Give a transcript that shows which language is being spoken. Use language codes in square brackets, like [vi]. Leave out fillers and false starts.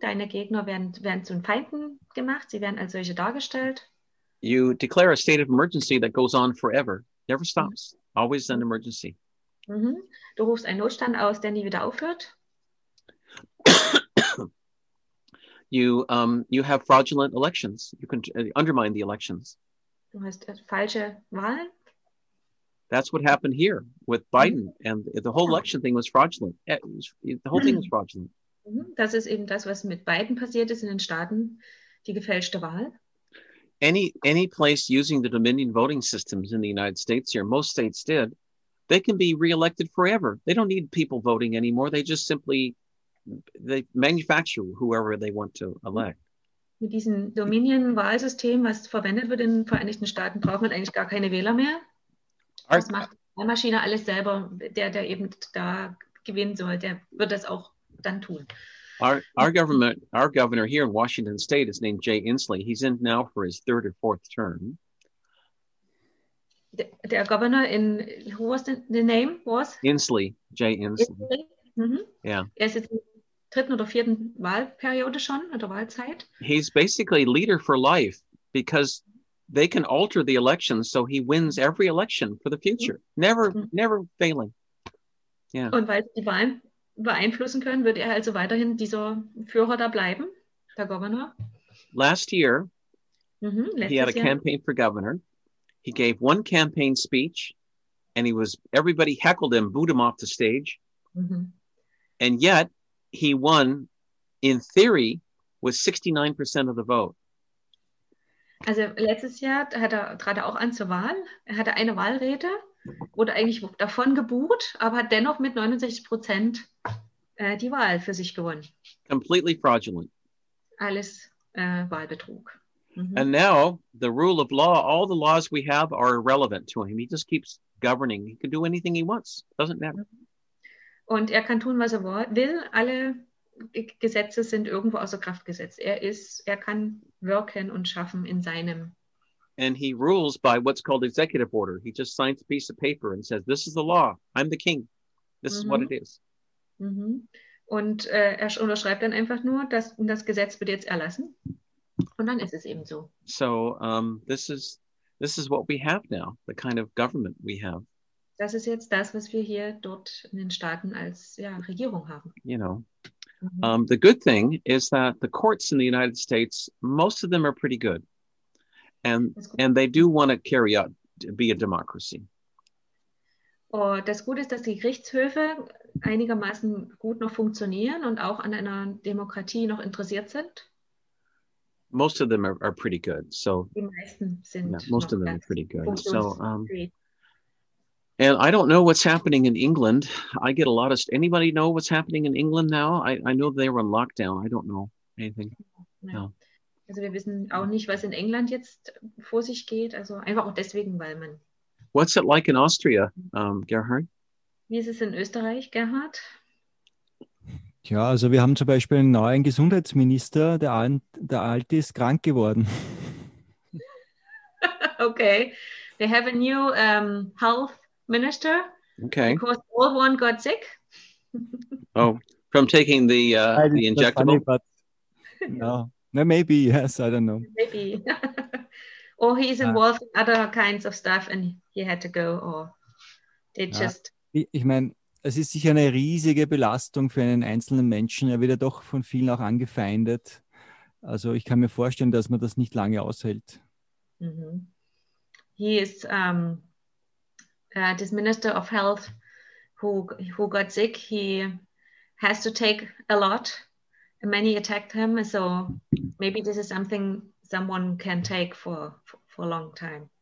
[de] Deine Gegner werden zu Feinden gemacht, sie werden als solche dargestellt. [en] You declare a state of emergency that goes on forever, never stops, always an emergency. [de] Du rufst einen Notstand aus, der nie wieder aufhört. [en] You have fraudulent elections. You can undermine the elections. [de] Du hast falsche Wahlen. [en] That's what happened here with Biden, and the whole election thing was fraudulent. The whole thing was fraudulent. [de] Das ist eben das, was mit Biden passiert ist in den Staaten, die gefälschte Wahl. [en] Any place using the Dominion voting systems in the United States here, most states did, they can be reelected forever. They don't need people voting anymore. They just simply they manufacture whoever they want to elect. [de] Mit diesem Dominion-Wahlsystem, was verwendet wird in den Vereinigten Staaten, braucht man eigentlich gar keine Wähler mehr. Das macht die Wahlmaschine alles selber. Der eben da gewinnen soll, der wird das auch dann tun. [en] Our governor here in Washington State is named Jay Inslee. He's in now for his third or fourth term. [de] Der [en] Governor in, who was the name was? Inslee, Jay Inslee. [de] Er ist jetzt im dritten oder vierten Wahlperiode schon, oder Wahlzeit. [en] He's basically leader for life, because they can alter the elections, so he wins every election for the future. Never failing. Yeah. [de] Und weil die Wahlen beeinflussen können, wird also weiterhin dieser Führer da bleiben, der Governor. [en] Last year, he had a campaign for governor. He gave one campaign speech, and everybody heckled him, booed him off the stage. And yet, he won, in theory, with 69% of the vote. [de] Also letztes Jahr trat er auch an zur Wahl. Er hatte eine Wahlrede, wurde eigentlich davon gebuht, aber hat dennoch mit 69% die Wahl für sich gewonnen. [en] Completely fraudulent. [de] Alles Wahlbetrug. [en] And now, the rule of law, all the laws we have are irrelevant to him. He just keeps governing. He can do anything he wants. Doesn't matter. [de] Und er kann tun, was er will. Alle Gesetze sind irgendwo außer Kraft gesetzt. Er kann wirken und schaffen in seinem. [en] And he rules by what's called executive order. He just signs a piece of paper and says, this is the law. I'm the king. This is what it is. [de] Und er unterschreibt dann einfach nur, dass das Gesetz wird jetzt erlassen. Und dann ist es eben so. [en] So this is what we have now, the kind of government we have. [de] Das ist jetzt das, was wir hier dort in den Staaten als Regierung haben. [en] You know, the good thing is that the courts in the United States, most of them are pretty good. And they do want to carry out, be a democracy. [de] Oh, das Gute ist, dass die Gerichtshöfe einigermaßen gut noch funktionieren und auch an einer Demokratie noch interessiert sind. [en] Most of them are pretty good. So, [de] die meisten sind [en] most of them are pretty good. So, and I don't know what's happening in England. I get a lot of... Anybody know what's happening in England now? I know they were on lockdown. I don't know anything. No. [de] Also wir wissen auch nicht, was in England jetzt vor sich geht. Also einfach auch deswegen, weil man... [en] What's it like in Austria, Gerhard? [de] Wie ist es in Österreich, Gerhard? Tja, also wir haben zum Beispiel einen neuen Gesundheitsminister. Der Alte ist krank geworden. [en] Okay. They have a new health minister. Okay. Because old one got sick. Oh, from taking the injectable? Funny, but no, maybe, yes, I don't know. Maybe. Or he's involved in other kinds of stuff and he had to go or they just... [de] Ich meine, es ist sicher eine riesige Belastung für einen einzelnen Menschen. Er wird ja doch von vielen auch angefeindet. Also ich kann mir vorstellen, dass man das nicht lange aushält. Mm-hmm. [en] He is this minister of health who got sick. He has to take a lot. Many attacked him. So maybe this is something someone can take for a long time.